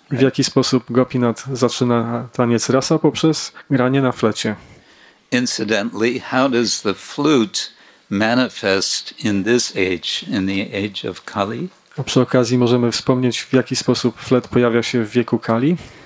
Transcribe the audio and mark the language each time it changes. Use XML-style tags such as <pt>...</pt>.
<pl>W jaki sposób Gopinath zaczyna taniec rasa poprzez granie na flecie?</pl> <en>Incidentally, how does the flute manifest in this age, in the age of Kali?</en> <pl>A przy okazji możemy wspomnieć, w jaki sposób flet pojawia się w wieku Kali?</pl>